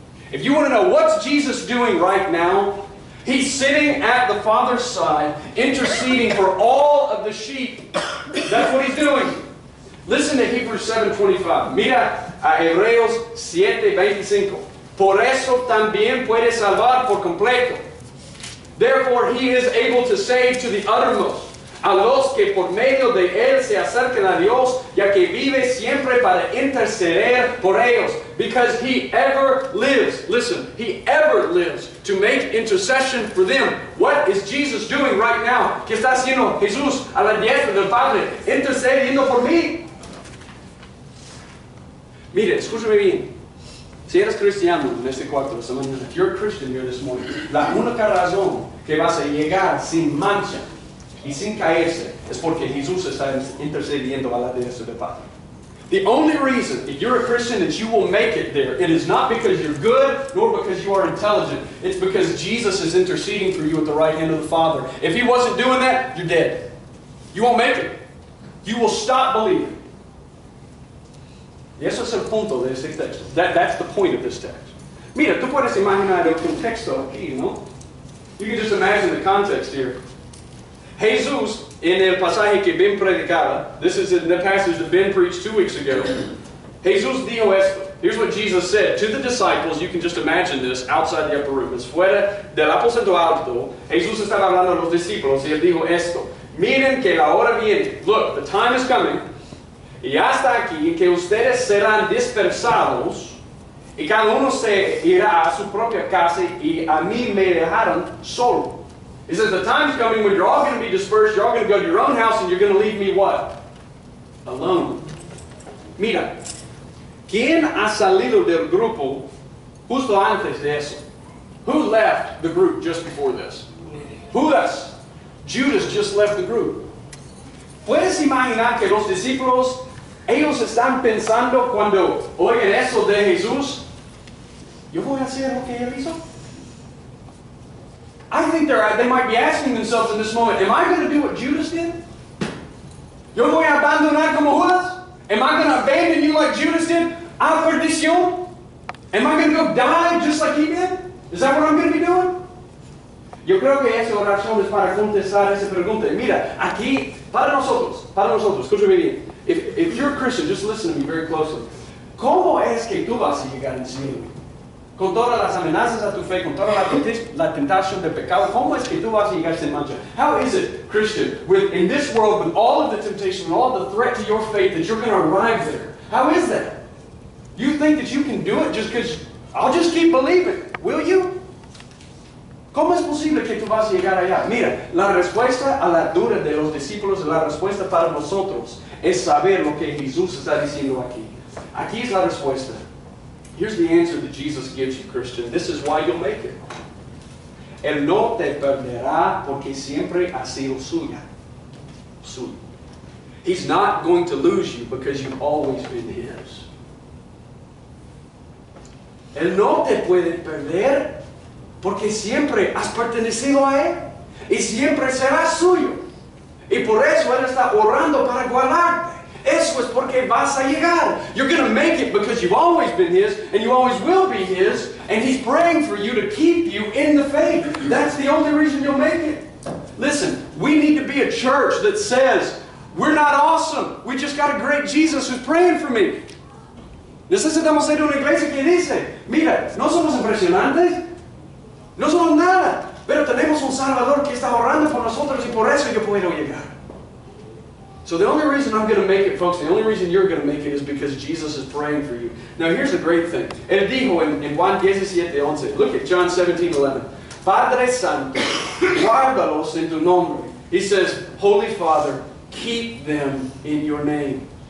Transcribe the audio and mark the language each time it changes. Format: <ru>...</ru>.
<en>If you want to know what's Jesus doing right now, he's sitting at the Father's side, interceding for all of the sheep. That's what he's doing. Listen to Hebrews 7:25.</en> <es>Mira a Hebreos 7:25. Por eso también puede salvar por completo.</es> <en>Therefore, he is able to save to the uttermost</en> <es>a los que por medio de él se acercan a Dios, ya que vive siempre para interceder por ellos.</es> <en>Because he ever lives, listen, he ever lives to make intercession for them. What is Jesus doing right now?</en> <es>¿Qué está haciendo Jesús a la diestra del Padre intercediendo por mí? Mire, escúchame bien. Si eres cristiano en este cuarto de esta mañana,</es> <en>if you're a Christian here this morning,</en> <es>la única razón que vas a llegar sin mancha y sin caerse es porque Jesús está intercediendo a la diestra del Padre.</es> <en>The only reason, if you're a Christian, that you will make it there, it is not because you're good, nor because you are intelligent. It's because Jesus is interceding for you at the right hand of the Father. If he wasn't doing that, you're dead. You won't make it. You will stop believing.</en> <es>Y eso es el punto de este texto.</es> <en>That's the point of this text.</en> <es>Mira, tú puedes imaginar el contexto aquí, ¿no?</es> <en>You can just imagine the context here.</en> <es>Jesús, en el pasaje que Ben predicaba,</es> <en>this is in the passage that Ben preached 2 weeks ago.</en> <es>Jesús dijo esto.</es> <en>Here's what Jesus said to the disciples. You can just imagine this outside the upper room.</en> <es>Es fuera del aposento alto. Jesús estaba hablando a los discípulos y él dijo esto. Miren que la hora viene.</es> <en>Look, the time is coming.</en> <es>Y hasta aquí que ustedes serán dispersados y cada uno se irá a su propia casa y a mí me dejarán solo.</es> <en>He says, the time is coming when you're all going to be dispersed, you're all going to go to your own house, and you're going to leave me what? Alone.</en> <es>Mira, ¿quién ha salido del grupo justo antes de eso?</es> <en>Who left the group just before this? Judas. Judas just left the group.</en> <es>¿Puedes imaginar que los discípulos, ellos están pensando cuando oyen eso de Jesús? ¿Yo voy a hacer lo que él hizo?</es> <en>I think they might be asking themselves in this moment, am I going to do what Judas did?</en> <es>¿Yo voy a abandonar como Judas?</es> <en>Am I going to abandon you like Judas did?</en> <es>¿A perdición?</es> <en>Am I going to go die just like he did? Is that what I'm going to be doing?</en> <es>Yo creo que esa oración es para contestar esa pregunta. Mira, aquí, para nosotros, escúchame bien.</es> <en>If you're a Christian, just listen to me very closely.</en> <es>¿Cómo es que tú vas a llegar al cielo? Con todas las amenazas a tu fe, con toda la tentación de pecado, ¿cómo es que tú vas a llegar sin mancha?</es> <en>How is it, Christian, with in this world, with all of the temptation, all the threat to your faith, that you're going to arrive there? How is that? You think that you can do it just because, I'll just keep believing, will you?</en> <es>¿Cómo es posible que tú vas a llegar allá? Mira, la respuesta a la duda de los discípulos, la respuesta para nosotros, es saber lo que Jesús está diciendo aquí. Aquí es la respuesta. Here's the answer that Jesus gives you, Christian. This is why you'll make it. Él no te perderá porque siempre ha sido suya. Suyo.</es> <en>He's not going to lose you because you've always been his.</en> <es>Él no te puede perder porque siempre has pertenecido a él y siempre serás suyo. Y por eso él está orando para guardarte. Eso es porque vas a llegar.</es> <en>You're going to make it because you've always been his, and you always will be his, and he's praying for you to keep you in the faith. That's the only reason you'll make it. Listen, we need to be be a church that says, we're not awesome. We just got a great Jesus who's praying for me.</en> <es>Necesitamos ser una iglesia que dice, mira, no somos impresionantes. No somos nada. Pero tenemos un Salvador que está orando por nosotros y por eso yo puedo llegar.</es> <en>So the only reason I'm going to make it, folks, the only reason you're going to make it is because Jesus is praying for you. Now here's the great thing.</en> <es>Él dijo en Juan 17:11.</es> <en>Look at John 17:11.</en> <es>Padre Santo, guárdalos en tu nombre.</es> <en>He says, Holy Father, keep them in your name.</en>